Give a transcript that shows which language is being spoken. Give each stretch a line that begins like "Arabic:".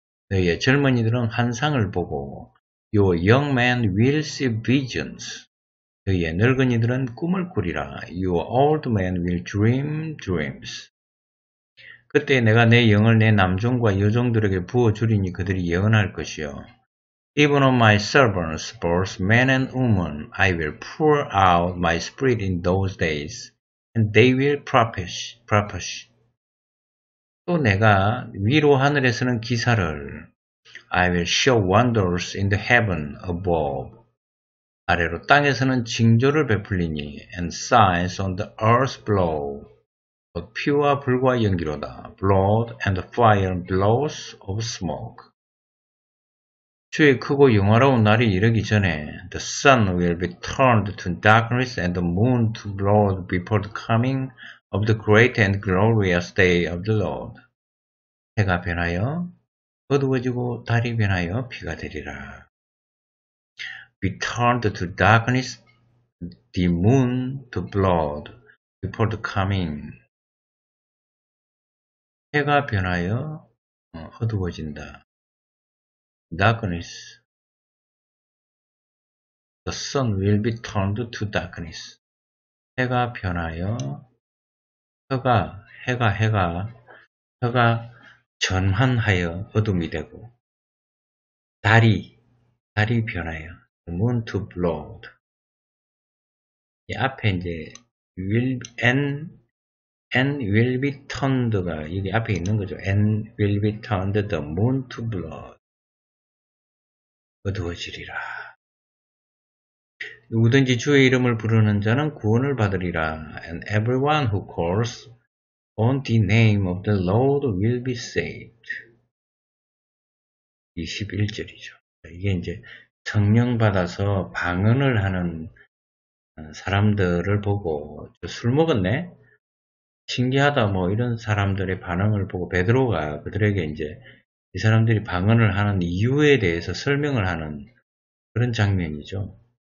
Korean: 너희의 젊은이들은 환상을 보고,
English: Your young men will see visions.
Korean: 너희의 늙은이들은 꿈을 꾸리라.
English: Your old men will dream dreams.
Korean: 그때 내가 내 영을 내 남종과 여종들에게 부어주리니 그들이 예언할 것이요.
English: Even on my servants, both men and women, I will pour out my spirit in those days, and they will prophesy.
Korean: 또 내가 위로 하늘에서는 기사를,
English: I will show wonders in the heaven above.
Korean: 아래로 땅에서는 징조를 베풀리니,
English: and signs on the earth below.
Korean: 피와 불과 연기로다.
English: Blood and fire and blows of smoke.
Korean: 주의 크고 영화로운 날이 이르기 전에
English: The sun will be turned to darkness and the moon to blood before the coming of the great and glorious day of the Lord.
Korean: 해가 변하여 어두워지고 달이 변하여 비가 되리라.
English: Be turned to darkness, the moon to blood before the coming.
Korean: 해가 변하여 어두워진다.
English: Darkness. The sun will be turned to darkness.
Korean: 해가 변하여 해가 전환하여 어둠이 되고 달이 변하여
English: the moon to blood.
Korean: 이 앞에 이제
English: will and will be turned
Korean: 가 여기 앞에 있는 거죠.
English: And will be turned the moon to blood.
Korean: 어두워지리라. 누구든지 주의 이름을 부르는 자는 구원을 받으리라.
English: And everyone who calls on the name of the Lord will be saved.
Korean: 21절이죠. 이게 이제 성령 받아서 방언을 하는 사람들을 보고 술 먹었네? 신기하다, 뭐, 이런 사람들의 반응을 보고, 베드로가 그들에게 이제, 이 사람들이 방언을 하는 이유에 대해서 설명을 하는 그런 장면이죠.